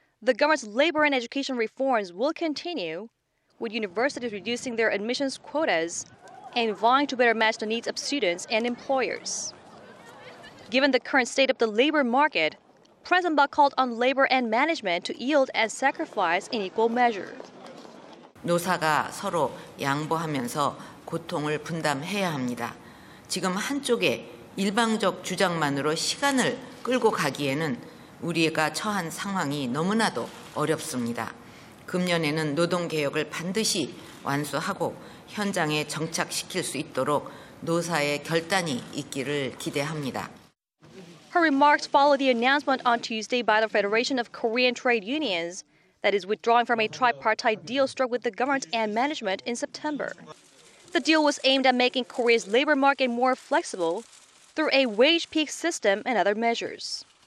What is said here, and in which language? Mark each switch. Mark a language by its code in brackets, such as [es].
[en] The government's labor and education reforms will continue, with universities reducing their admissions quotas and vowing to better match the needs of students and employers. Given the current state of the labor market, President Park called on labor and management to yield and sacrifice in equal measure. [ko] 노사가 서로 양보하면서 고통을 분담해야 합니다. 지금 한쪽에 일방적 주장만으로 시간을 끌고 가기에는 우리가 처한 상황이 너무나도 어렵습니다. 금년에는 노동 개혁을 반드시 완수하고 현장에 정착시킬 수 있도록 노사의 결단이 있기를 기대합니다. [en] Her remarks follow the announcement on Tuesday by the Federation of Korean Trade Unions that is withdrawing from a tripartite deal struck with the government and management in September. The deal was aimed at making Korea's labor market more flexible through a wage peak system and other measures.